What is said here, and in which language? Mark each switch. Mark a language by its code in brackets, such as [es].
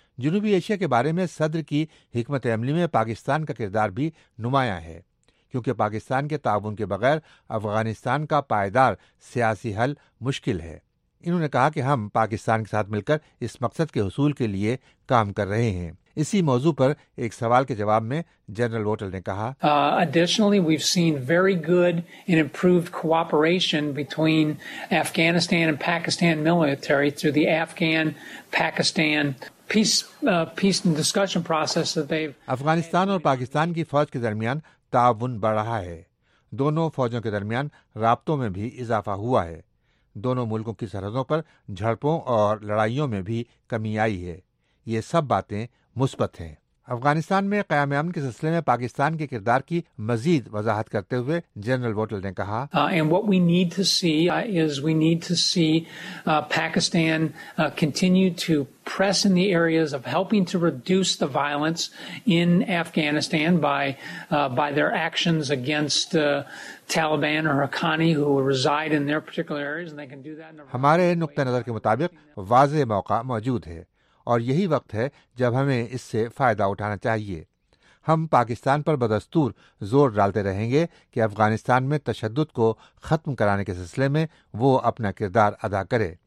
[ur] جنوبی ایشیا کے بارے میں صدر کی حکمت عملی میں پاکستان کا کردار بھی نمایاں ہے, کیونکہ پاکستان کے تعاون کے بغیر افغانستان کا پائیدار سیاسی حل مشکل ہے. انہوں نے کہا کہ ہم پاکستان کے ساتھ مل کر اس مقصد کے حصول کے لیے کام کر رہے ہیں. اسی موضوع پر ایک سوال کے جواب میں جنرل ووٹل نے کہا, [en] Additionally, we've seen very good and improved cooperation between Afghanistan and Pakistan military through the Afghan-Pakistan peace and discussion process that they've. [ur] Afghanistan اور پاکستان کی فوج کے درمیان تعاون بڑھ رہا ہے. دونوں فوجوں کے درمیان رابطوں میں بھی اضافہ ہوا ہے. دونوں ملکوں کی سرحدوں پر جھڑپوں اور لڑائیوں میں بھی کمی آئی ہے. یہ سب باتیں مثبت ہیں. افغانستان میں قیام امن کے سلسلے میں پاکستان کے کردار کی مزید وضاحت کرتے ہوئے جنرل ووٹل نے کہا, [en] And what we need to see is we need to see Pakistan continue to press in the areas of helping to reduce the violence in Afghanistan by their actions against Taliban or Haqqani who reside in their particular areas and they can do that. [ur] ہمارے نقطہ نظر کے مطابق واضح موقع موجود ہے اور یہی وقت ہے جب ہمیں اس سے فائدہ اٹھانا چاہیے. ہم پاکستان پر بدستور زور ڈالتے رہیں گے کہ افغانستان میں تشدد کو ختم کرانے کے سلسلے میں وہ اپنا کردار ادا کرے.